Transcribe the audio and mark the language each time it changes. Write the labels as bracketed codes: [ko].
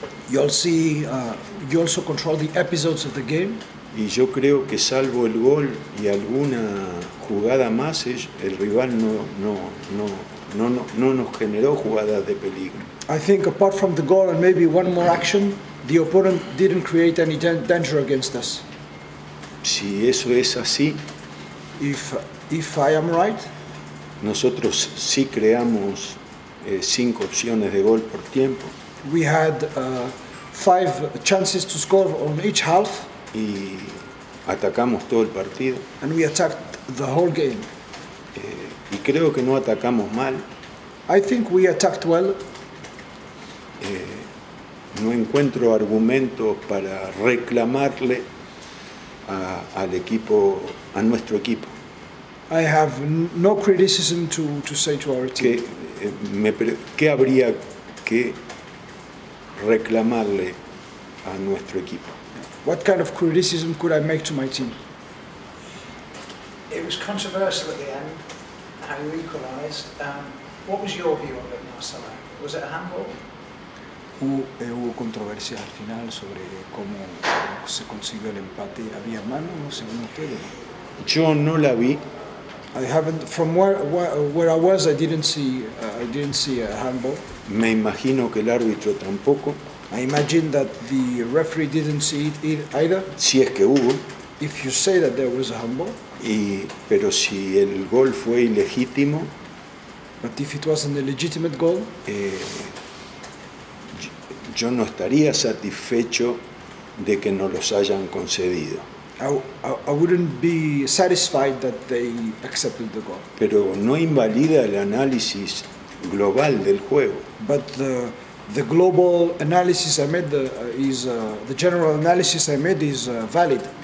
[en] You also control the episodes of the game. [es] Y yo creo que salvo el gol y alguna jugada más, el rival no nos generó jugadas de peligro. [en] I think apart from the goal and maybe one more action, the opponent didn't create any danger against us. [es] Si eso es así, [en] if I am right, [es] nosotros sí creamos 5 opciones de gol por tiempo. [en] We had 5 chances to score on each half. [es] Y atacamos todo el partido. [en] And we attacked the whole game. [es] Y creo que no atacamos mal. [en] I think we attacked well. [es] No encuentro argumentos para reclamarle a nuestro equipo. [en] I have no criticism to say to our team. [es] ¿Qué habría que reclamarle a nuestro equipo? [en] What kind of criticism could I make to my team? It was controversial at the end, how you equalized. What was your view of it, Marcelo? Was it a handball? [es] Hubo controversia al final sobre cómo se consiguió el empate. ¿Había mano o según usted? Yo no la vi. [en] I haven't, from where I was, I didn't see a handball. [es] Me imagino que el árbitro tampoco. [en] I imagine that the referee didn't see it either. [es] Si es que hubo. [en] If you say that there was a handball. [es] Pero si el gol fue ilegítimo. [en] But if it was an illegitimate goal. [es] Yo no estaría satisfecho de que no los hayan concedido. [en] I wouldn't be satisfied that they accepted the goal. [es] Pero no invalida el análisis global del juego. [en] But the global analysis I made is the general analysis I made is valid.